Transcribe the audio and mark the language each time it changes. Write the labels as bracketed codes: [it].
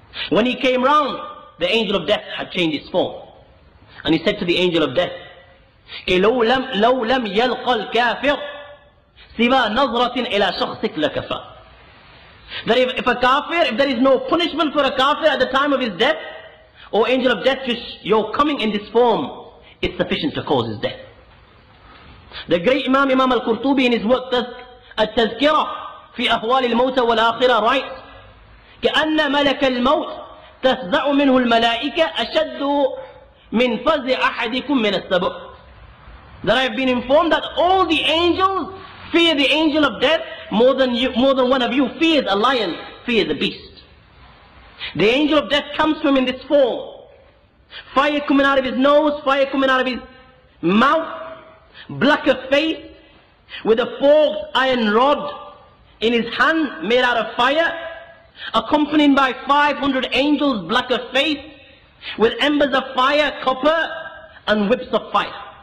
[en] When he came round, the angel of death had changed his form. And he said to the angel of death, [ar] لو لم يلقى الكافر سوى نظرة إلى شخصك لكفى. [en] That if there is no punishment for a kafir at the time of his death, O angel of death, just your coming in this form is sufficient to cause his death. The great Imam al-Qurtubi in his work, [ar] التذكرة في أهوال الموت والآخرة, [en] writes, [ar] كأن ملك الموت تفزع منه الملائكة أشد من فزع أحدكم من السبع. [en] That I have been informed that all the angels fear the angel of death more than one of you fears a lion, fears a beast. The angel of death comes to him in this form. Fire coming out of his nose, fire coming out of his mouth, black of face, with a forked iron rod in his hand made out of fire, accompanied by 500 angels, black of face, with embers of fire, copper, and whips of fire.